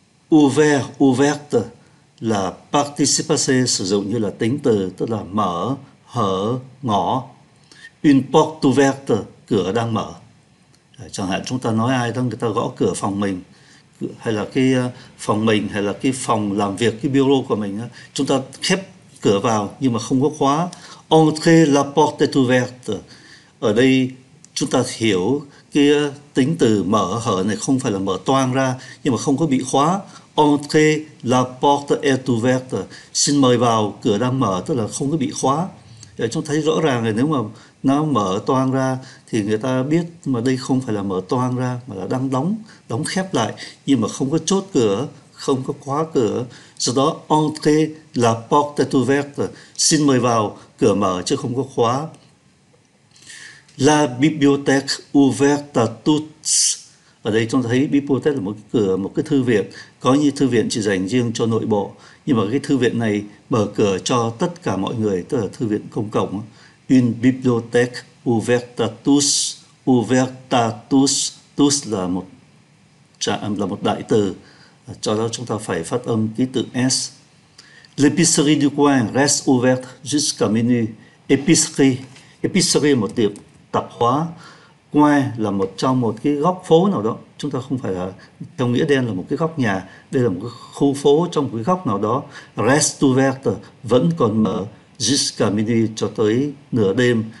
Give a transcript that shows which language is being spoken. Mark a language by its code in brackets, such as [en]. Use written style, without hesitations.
[vi] Ouvert, ouverte là participe passé sử dụng như là tính từ, tức là mở, hở, ngõ. [fr] Une porte ouverte, [vi] cửa đang mở. Chẳng hạn chúng ta nói ai đó người ta gõ cửa phòng mình. Hay là cái phòng mình, hay là cái phòng làm việc, cái bureau của mình, chúng ta khép cửa vào nhưng mà không có khóa. [fr] Entrez, la porte est ouverte. [vi] Ở đây chúng ta hiểu cái tính từ mở hở này không phải là mở toang ra nhưng mà không có bị khóa. [fr] Entrez, la porte est ouverte. [vi] Xin mời vào, cửa đang mở, tức là không có bị khóa. Để chúng ta thấy rõ ràng là nếu mà nó mở toang ra thì người ta biết mà đây không phải là mở toang ra mà là đang đóng khép lại nhưng mà không có chốt cửa, không có khóa cửa. Do đó [fr] entrez la porte est ouverte, [vi] xin mời vào, cửa mở chứ không có khóa. [fr] La Bibliothèque Ouverte à tous. [vi] Ở đây chúng ta thấy bibliothèque là một cái cửa, một cái thư viện, có như thư viện chỉ dành riêng cho nội bộ, nhưng mà cái thư viện này mở cửa cho tất cả mọi người, tức là thư viện công cộng. [fr] Une bibliothèque ouverte à tous, ouverte à tous. [vi] Tous là một đại từ, cho đó chúng ta phải phát âm ký tự S. [fr] L'épicerie du coin reste ouverte jusqu'à minuit. [vi] Épicerie, épicerie là một tiệm tạp hóa. Coin là một trong một cái góc phố nào đó. Chúng ta không phải là theo nghĩa đen là một cái góc nhà. Đây là một cái khu phố trong một cái góc nào đó. [fr] Reste ouverte [vi] vẫn còn mở [fr] jusqu'à minuit [vi] cho tới nửa đêm.